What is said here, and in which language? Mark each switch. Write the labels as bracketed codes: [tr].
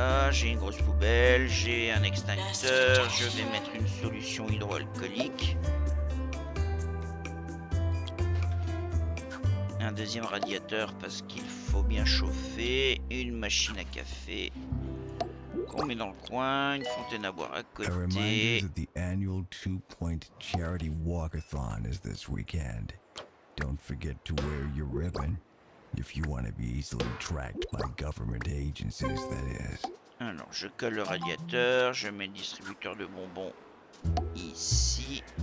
[fr] J'ai une grosse poubelle, j'ai un extincteur, je vais mettre une solution hydroalcoolique. Un deuxième radiateur parce qu'il faut bien chauffer. Une machine à café qu'on met dans le coin, une fontaine à boire à côté. [en] Un reminder that the annual 2-point charity walkathon is this weekend. Don't forget to wear your ribbon if you want to be easily tracked by government agencies, that is. [fr] Alors, je colle le radiateur, je mets le distributeur de bonbons ici.